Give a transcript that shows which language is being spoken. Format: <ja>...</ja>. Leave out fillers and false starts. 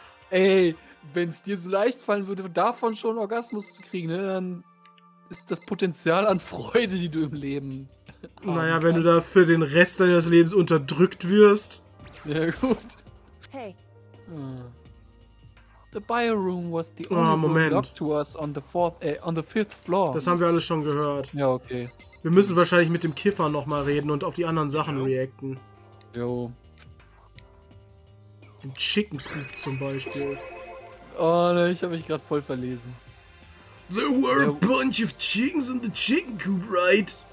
<de>Ey, wenn es dir so leicht fallen würde, davon schon einen Orgasmus zu kriegen, ne, dann ist das Potenzial an Freude, die du im Leben haben naja, kannst. Wenn du da für den Rest deines Lebens unterdrückt wirst. Ja, gut. Hey.</de> <en>The bio room was the only room locked to us on the fifth floor.</en> <de>Das haben wir alles schon gehört. Ja, okay. Wir müssen wahrscheinlich mit dem Kiffer nochmal reden und auf die anderen Sachen reacten. Jo. Ein Chicken Poop zum Beispiel. Oh ne, ich habe mich gerade voll verlesen.</de> <en>There were a bunch of chickens in the chicken coop, right?</en>